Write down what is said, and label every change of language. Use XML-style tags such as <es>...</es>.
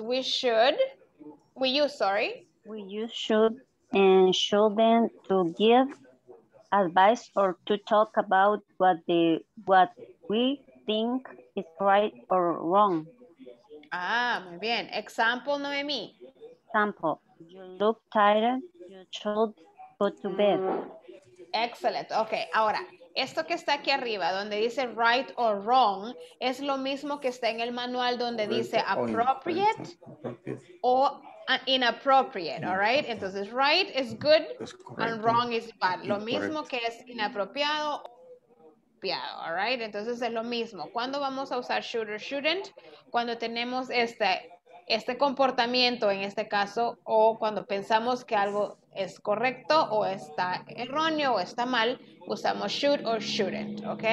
<en>We use should and shouldn't to give advice or to talk about what we think is right or wrong.</en> <es>Ah, muy bien. Example, Noemi.</es> <en>Example, you look tired, you should go to bed. Excellent.</en> <es>Okay, ahora, esto que está aquí arriba, donde dice right or wrong, es lo mismo que está en el manual donde dice appropriate o inappropriate,</es> <en>all right?</en> <es>Entonces,</es> <en>right is good and wrong is bad.</en> <es>Lo mismo que es inapropiado o apropiado,</es> <en>all right?</en> <es>Entonces, es lo mismo. ¿Cuándo vamos a usar should or shouldn't? Cuando tenemos este comportamiento, en este caso, o cuando pensamos que algo es correcto o está erróneo o está mal, usamos should or shouldn't, ¿ok?</es>